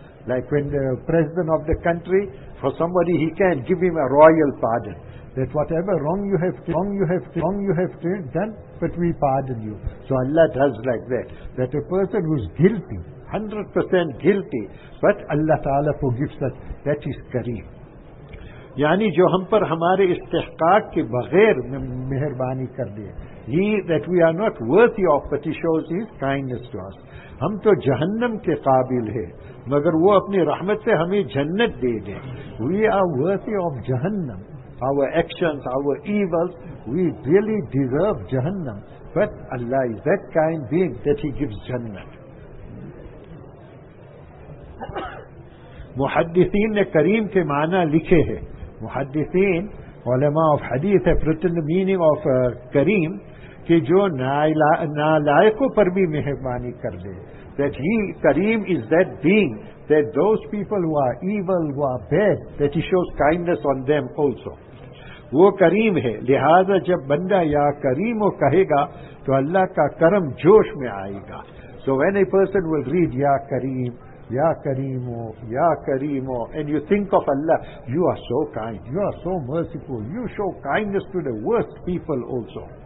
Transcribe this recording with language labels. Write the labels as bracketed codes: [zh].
[en] Like when the president of the country, for somebody, he can give him a royal pardon. That whatever wrong you have done, but we pardon you. So Allah does like that. That a person who's guilty, 100% guilty, but Allah Ta'ala forgives us, that is Kareem. [ur] یعنی جو ہم پر ہمارے استحقاق کے بغیر مہربانی کر دیے. [en] He that we are not worthy of, but He shows His kindness to us. [ur] ہم تو جہنم کے قابل ہے مگر وہ اپنی رحمت سے ہمیں جنت دے دیں. [en] We are worthy of جہنم. Our actions, our evils, we really deserve جہنم. But Allah is that kind being that He gives جنت. [ur] محدثین نے کریم کے معنی لکھے ہیں. محدثین, علماء of حدیث [en] have written the meaning of [ur] کریم, کہ جو نالائقوں پر بھی مہربانی کر دے. [en] That he, Kareem is that being, that those people who are evil, who are bad, that he shows kindness on them also. [ur] وہ کریم ہے, لہذا جب بندہ یا کریم و کہے گا تو اللہ کا کرم جوش میں آئے گا. [en] So when a person will read یا Kareem, Ya Kareemo, Ya Kareemo, and you think of Allah, you are so kind, you are so merciful, you show kindness to the worst people also.